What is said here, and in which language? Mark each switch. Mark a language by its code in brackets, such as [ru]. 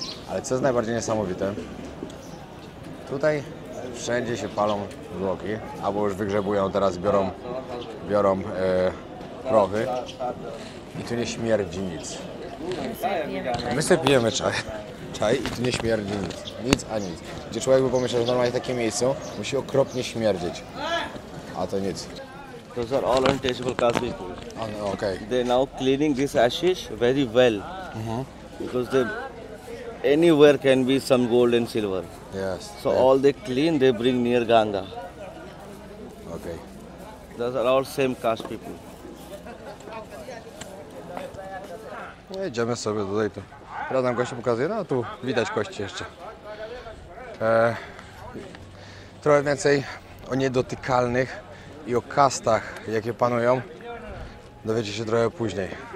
[pl] Ale co jest najbardziej niesamowite? Tutaj wszędzie się palą zwłoki, albo już wygrzebują teraz, biorą prochy. I tu nie śmierdzi nic. My sobie pijemy czaj. Czaj i tu nie śmierdzi nic. Nic a nic. Gdzie człowiek by pomyślał, że normalnie w takim miejscu musi okropnie śmierdzieć. A to nic. [en] Those are all untouchable caste people. Oh, no, okay. They are now cleaning this ashes very well. Because anywhere can be some gold and silver. Yes. So all they clean, they bring near Ganga. Okay. Those are all same caste people. [pl] Jedziemy sobie tutaj to. Teraz nam gościa pokazuje, no tu widać kości jeszcze. Trochę więcej o niedotykalnych i o kastach, jakie panują, dowiecie się trochę później.